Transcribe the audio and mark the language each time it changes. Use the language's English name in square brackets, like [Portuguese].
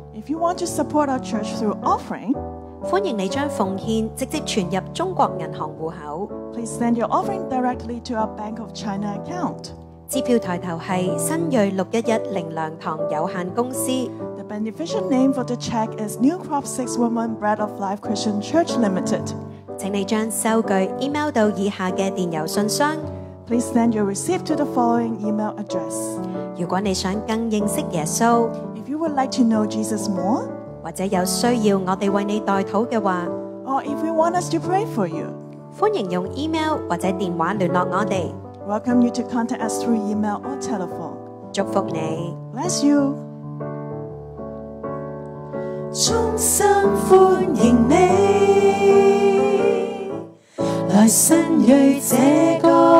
[English] If you want to support our church through offering, [Chinese] 欢迎你将奉献直接存入中国银行户口。 [English] Please send your offering directly to our Bank of China account. [Chinese] 支票抬头系新锐六一一灵粮堂有限公司。 [English] The beneficial name for the check is New Crop 611 Bread of Life Christian Church Limited. [Chinese] 请你将收据 email 到以下的电邮信箱。 [English] Please send your receipt to the following email address. [Chinese] 如果你想更认识耶稣， [English] If you would like to know Jesus more, [Chinese] 或者有需要我们为你代祷的话， [English] or if we want us to pray for you, [Chinese] 欢迎用 email 或者电话联络我们。 [English] Welcome you to contact us through email or telephone. [Chinese] 祝福你。 [English] Bless you. [Chinese] 衷心欢迎你来新锐这个